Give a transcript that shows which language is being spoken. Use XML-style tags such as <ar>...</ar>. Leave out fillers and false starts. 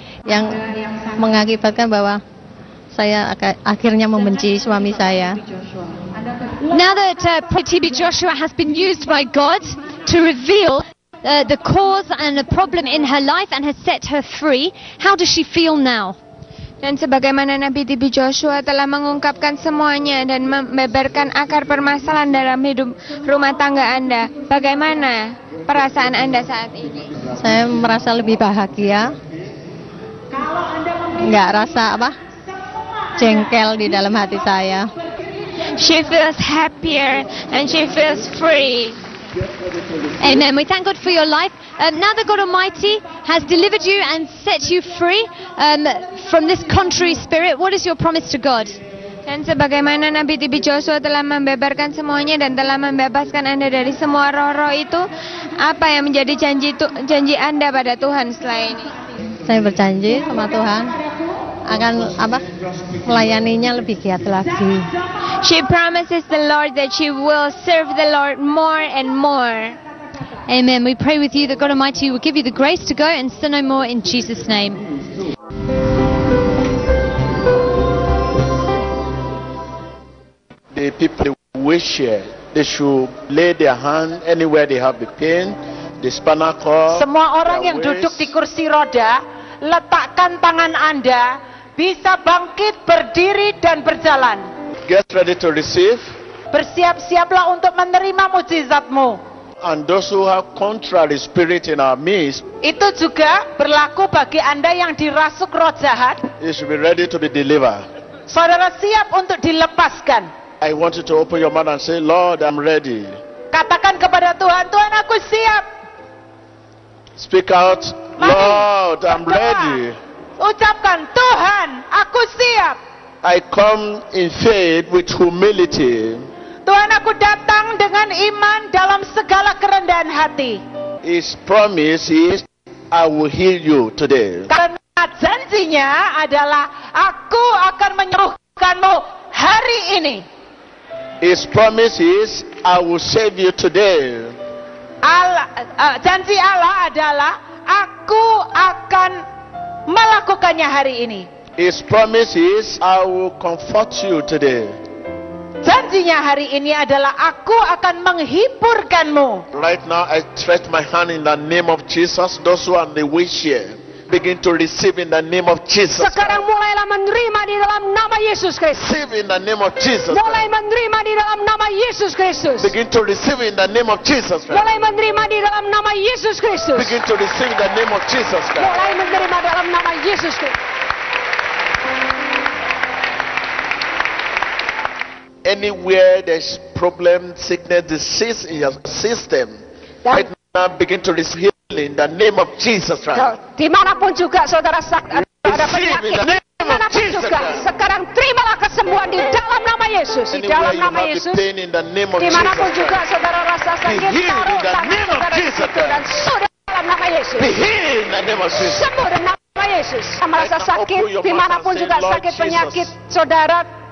<id>Yang mengakibatkan bahwa saya akhirnya membenci suami saya.</id> <en>Now that TB Joshua has been used by God to reveal the cause and the problem in her life and has set her free, how does she feel now?</en> <id>Dan sebagaimana Nabi TB Joshua telah mengungkapkan semuanya dan membeberkan akar permasalahan dalam hidup rumah tangga Anda, bagaimana perasaan Anda saat ini? Saya merasa lebih bahagia. Enggak rasa apa? Jengkel di dalam hati saya.</id> <en>She feels happier and she feels free. Amen. We thank God for your life. Now that God Almighty has delivered you and set you free from this contrary spirit, what is your promise to God?</en> <id>Dan sebagaimana Nabi TB Joshua telah membeberkan semuanya dan telah membebaskan Anda dari semua roh-roh itu, apa yang menjadi janji Anda pada Tuhan selain ini? Saya berjanji sama Tuhan akan apa? Melayaninya lebih giat lagi.</id> <en>She promises the Lord that she will serve the Lord more and more. Amen. We pray with you that God Almighty will give you the grace to go and sin no more in Jesus' name. The people wish here, they should lay their hand anywhere they have the pain, the spinal cord.</en> <id>Semua orang yang duduk di kursi roda, letakkan tangan Anda, bisa bangkit, berdiri, dan berjalan.</id> <en>Get ready to receive.</en> <id>Bersiap-siaplah untuk menerima mujizatmu.</id> <en>And those who have contrary spirit in our midst.</en> <id>Itu juga berlaku bagi Anda yang dirasuk roh jahat.</id> <en>You should be ready to be delivered.</en> <id>Saudara siap untuk dilepaskan.</id> <en>I want you to open your mouth and say, Lord, I'm ready.</en> <id>Katakan kepada Tuhan, Tuhan aku siap.</id> <en>Speak out, Lord, I'm ready.</en> <id>Ucapkan, Tuhan, aku siap.</id> <en>I come in faith with humility.</en> <id>Tuhan, aku datang dengan iman dalam segala kerendahan hati.</id> <en>His promise is, I will heal you today.</en> <id>Karena janjinya adalah, aku akan menyembuhkanmu hari ini.</id> <en>His promise is, I will save you today.</en> <id>Janji Allah adalah, aku akan melakukannya hari ini.</id> <en>His promise is, I will comfort you today.</en> <id>Janjinya hari ini adalah, aku akan menghiburkanmu.</id> <en>Right now, I stretch my hand in the name of Jesus. Those who are the wish here, begin to receive in the name of Jesus.</en> <id>Sekarang mulailah menerima di dalam nama Yesus Kristus.</id> <en>Receive in the name of Jesus.</en> <id>Mulai menerima di dalam nama Yesus Kristus.</id> <en>Begin to receive in the name of Jesus.</en> <id>Mulai menerima di dalam nama Yesus Kristus.</id> <en>Begin to receive in the name of Jesus.</en> <id>Mulai menerima dalam nama Yesus Kristus.</id> <en>Anywhere there's problem, sickness, disease in your system, right now begin to receive healing in the name of Jesus Christ.</en> <id>Dimanapun juga saudara sakit, ada penyakit, sekarang terimalah kesembuhan di dalam nama Yesus. Di dalam nama Yesus. Dimanapun juga saudara rasa sakit, taruh tangan saudara di situ dan sudah dalam nama Yesus. Sembuh dalam nama Yesus. Merasa sakit, dimanapun juga sakit penyakit saudara.</id>